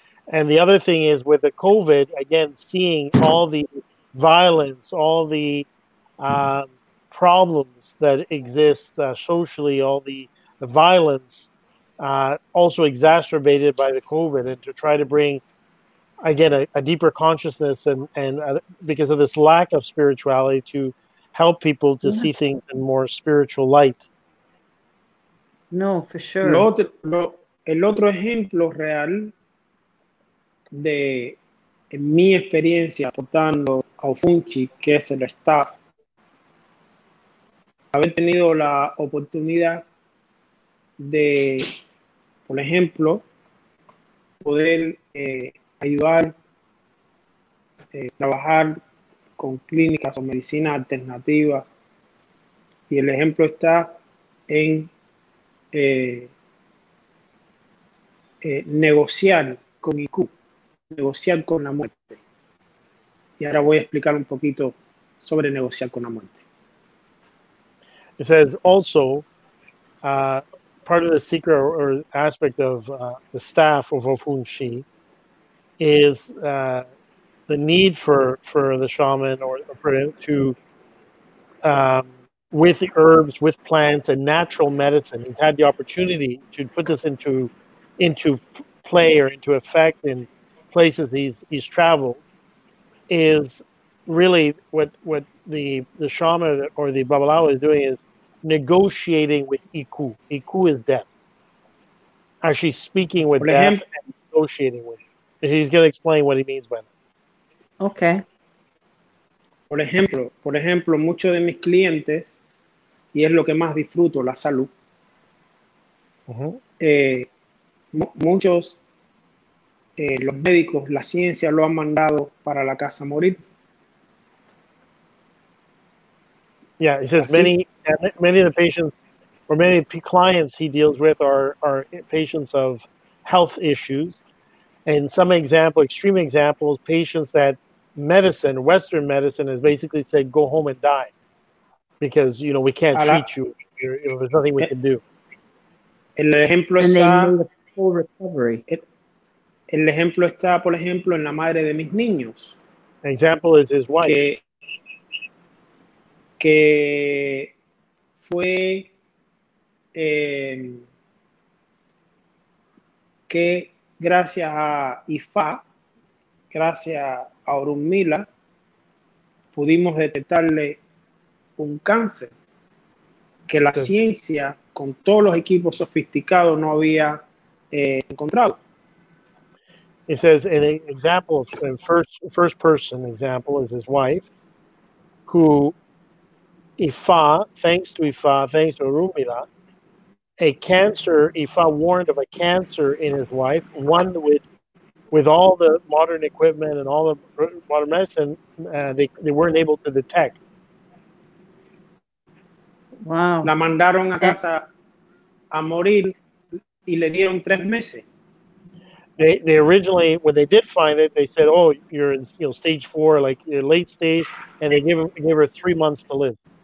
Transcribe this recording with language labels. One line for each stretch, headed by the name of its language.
English: And the other thing is with the COVID, again, seeing all the violence, all the problems that exist socially, all the violence also exacerbated by the COVID, and to try to bring, again, a deeper consciousness and because of this lack of spirituality, to help people to see things in more spiritual light. No, for sure.
Spanish: El otro ejemplo real de en mi experiencia aportando a Ofunchi, que es el staff, haber tenido la oportunidad de, por ejemplo, poder ayudar, trabajar con clínicas o medicina alternativa. Y el ejemplo está en negociar con IQ, negociar con la muerte. Y ahora voy a explicar un poquito sobre negociar con la muerte.
English: It says also part of the secret or aspect of the staff of Ofunshi is the need for the shaman or for him to with the herbs, with plants and natural medicine. He's had the opportunity to put this into play or into effect in places he's traveled, is really what the shaman or the babalawo is doing, is negotiating with Iku. Iku is death. Actually speaking with death and negotiating with him. He's going to explain what he means by that. Okay.
Spanish: Por ejemplo, muchos de mis clientes, y es lo que más disfruto, la salud. Uh-huh. Muchos, los médicos, la ciencia lo han mandado para la casa a morir.
English: Yeah, he says many of the patients, or many clients he deals with are patients of health issues. And some extreme examples, patients that medicine, Western medicine, has basically said, go home and die. Because, you know, we can't treat you. There's nothing we can do.
Spanish: El ejemplo
English: and
Spanish: está,
English: they need a full recovery.
Spanish: El ejemplo está, por ejemplo, en la madre de mis niños.
English: An example is his wife.
Spanish: Que fue que gracias a IFA, gracias a Orunmila, pudimos detectarle un cáncer que la ciencia con todos los equipos sofisticados no había encontrado.
English: He says an example, first person example is his wife, who Ifa, thanks to Ifa, thanks to Orunmila, a cancer, Ifa warned of a cancer in his wife, one with all the modern equipment and all the modern medicine, they weren't able to detect. Wow.
Spanish: La mandaron a casa a morir y le dieron 3 meses.
English: They originally, when they did find it, they said, oh, you're in, you know, stage 4, like you're late stage, and they gave her 3 months to live.